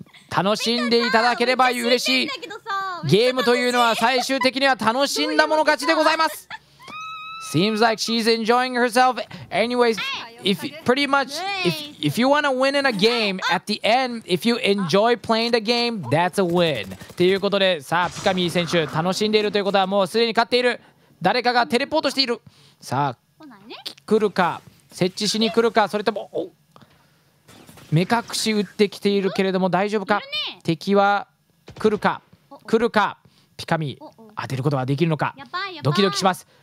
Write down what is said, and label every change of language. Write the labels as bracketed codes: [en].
[ja] 楽しんでいただければ嬉しい。ゲームというのは最終的には楽しんだもの勝ちでございます。 [en] Seems like she's enjoying herself. Anyways, if you want to win in a game, at the end, if you enjoy playing the game, that's a win. [ja] ということで、さあピカミー選手楽しんでいるということはもうすでに勝っている。誰かがテレポートしている。さあ来るか、設置しに来るか、それとも目隠し打ってきているけれども大丈夫か。敵は来るか来るか、ピカミー当てることができるのか、ドキドキします。